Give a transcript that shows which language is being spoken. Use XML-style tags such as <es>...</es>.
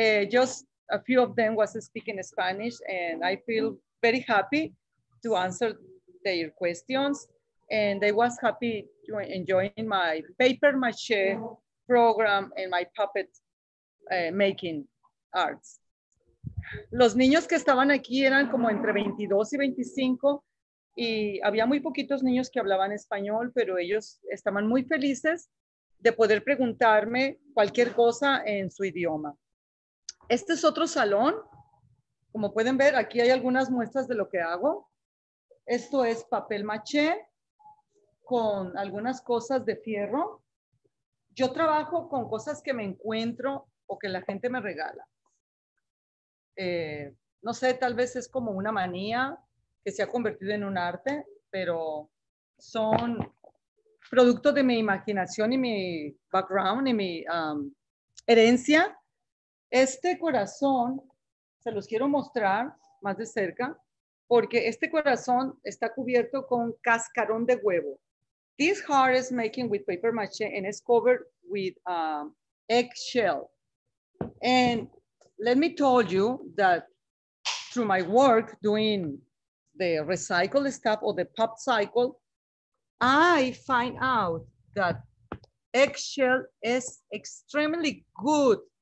<en>Just a few of them was speaking Spanish, and I feel very happy to answer their questions. And they was happy to enjoy my paper mache program and my puppet making arts.</en> <es>Los niños que estaban aquí eran como entre 22 y 25 y había muy poquitos niños que hablaban español, pero ellos estaban muy felices de poder preguntarme cualquier cosa en su idioma. Este es otro salón. Como pueden ver, aquí hay algunas muestras de lo que hago. Esto es papel maché con algunas cosas de fierro. Yo trabajo con cosas que me encuentro o que la gente me regala. No sé, tal vez es como una manía que se ha convertido en un arte, pero son producto de mi imaginación y mi background y mi herencia. Este corazón, se los quiero mostrar más de cerca, porque este corazón está cubierto con cascarón de huevo.</es> <en>This heart is making with paper mache and is covered with eggshell. And let me tell you that through my work doing the recycle stuff or the pop cycle, I find out that eggshell is extremely good.</en>